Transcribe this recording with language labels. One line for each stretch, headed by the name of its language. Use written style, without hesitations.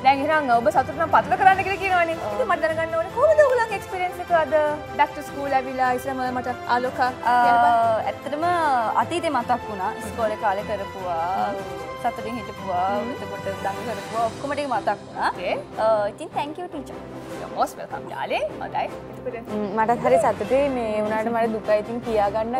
Sinhala: දැන් ඉතින් ඔබ සතුට නම් පතුල කරන්න කියලා කියනවනේ. ඉතින් මට දැනගන්න ඕනේ කොහොමද ඔයගලගේ එක්ස්පීරියන්ස් එක අද බෑක් ටු ස්කූල් ඇවිල්ලා ඉස්සරම මට ආලෝක ඇත්තටම අතීතේ මතක් වුණා. ස්කෝලේ කාලේ කරපුවා. සතුටින් හිටපුවා එතකොට දඟ කරපුවා ඔක්කොම ටික මතක් වුණා. ඉතින්
English: thank you teacher. You're most welcome darling.
Sinhala: හොඳයි. මට හරි සතුටේ මේ වුණාට මට දුක ඉතින් කියා ගන්න